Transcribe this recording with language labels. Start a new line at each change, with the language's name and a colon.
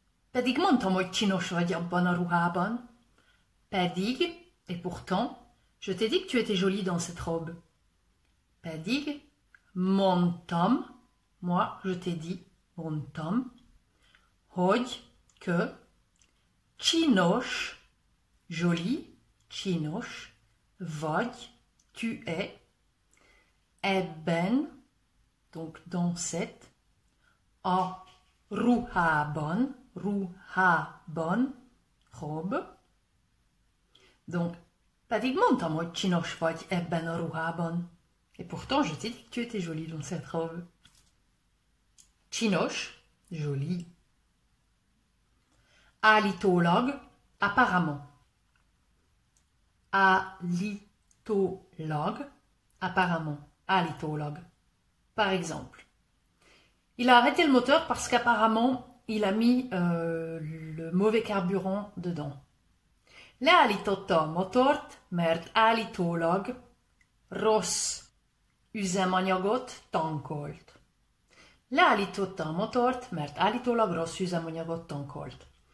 Hungarian: Pedig montam, hogy csinos vagy abban a ruhában. Pedig,
French: et pourtant, je t'ai dit que tu étais jolie dans cette robe.
Hungarian: Pedig, montam,
French: moi, je t'ai dit,
Hungarian: montam, hogy,
French: que,
Hungarian: csinos,
French: jolie,
Hungarian: csinos, vagy,
French: tu es,
Hungarian: ebben,
French: donc dans cette,
Hungarian: a ruhában, ruhában,
French: robe. Donc,
Hungarian: pedig mondtam, hogy csinos vagy ebben a ruhában.
French: Et pourtant, je t'ai dit que tu étais jolie dans cette robe.
Hungarian: Csinos, jolie. Állítólag, apparemment. Állítólag, apparemment. Állítólag.
French: Par exemple, il a arrêté le moteur parce qu'apparemment, il a mis le mauvais carburant dedans.
Hungarian: Leállította a motort, mert állítólag rossz üzemanyagot tankolt. Leállította a motort, mert állítólag rossz üzemanyagot tankolt.